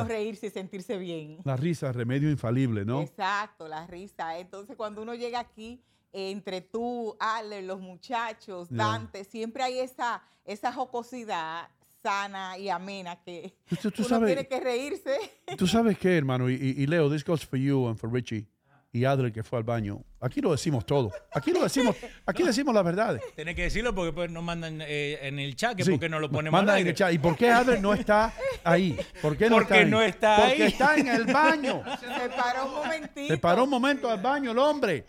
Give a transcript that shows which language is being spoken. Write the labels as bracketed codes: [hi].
[es] Uno reírse y sentirse bien. La risa, remedio infalible, ¿no? Exacto, la risa. Entonces, cuando uno llega aquí, entre tú, Ale, los muchachos, Dante, siempre hay esa jocosidad sana y amena que tú uno sabes, tiene que reírse. ¿Tú sabes qué, hermano? [en] Y Leo, this goes for you and for Richie. [es] Y Adler, que fue al baño. Aquí lo decimos todo. Aquí decimos las verdades. Tienes que decirlo porque pues nos mandan en el chat. Que sí. ¿Por qué no lo ponemos mandan en el chat? ¿Y por qué Adler no está ahí? ¿Por qué no está ahí? Porque está en el baño. Se paró un momentito. Se paró un momento al baño el hombre.